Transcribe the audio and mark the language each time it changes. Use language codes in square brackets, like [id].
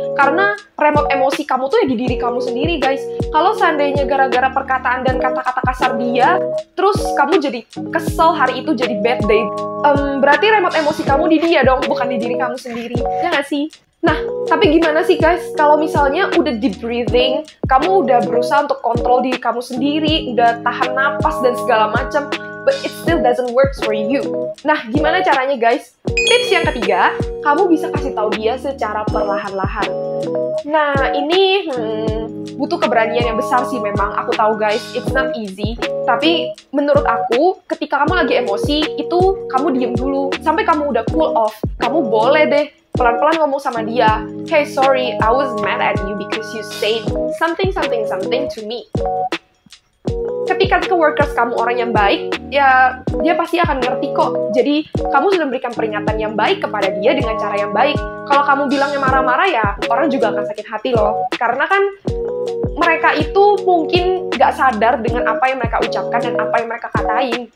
[id] Karena remote emosi kamu tuh ya di diri kamu sendiri, guys. Kalau seandainya gara-gara perkataan dan kata-kata kasar dia, terus kamu jadi kesel hari itu, jadi bad day, berarti remote emosi kamu di dia dong, bukan di diri kamu sendiri. Ya gak sih? Nah, tapi gimana sih guys, kalau misalnya udah deep breathing, kamu udah berusaha untuk kontrol diri kamu sendiri, udah tahan napas dan segala macam, [en] but it still doesn't work for you. [id] Nah, gimana caranya guys? Tips yang ketiga, kamu bisa kasih tahu dia secara perlahan-lahan. Nah, ini butuh keberanian yang besar sih memang. Aku tahu guys, [en] it's not easy. [id] Tapi menurut aku, ketika kamu lagi emosi, itu kamu diem dulu. Sampai kamu udah cool off, kamu boleh deh pelan-pelan ngomong sama dia. [en] Hey, sorry, I was mad at you because you said something to me. [id] Ketika coworkers kamu orang yang baik, ya dia pasti akan ngerti kok. Jadi kamu sudah memberikan peringatan yang baik kepada dia dengan cara yang baik. Kalau kamu bilangnya marah-marah ya, orang juga akan sakit hati loh. Karena kan mereka itu mungkin gak sadar dengan apa yang mereka ucapkan dan apa yang mereka katain.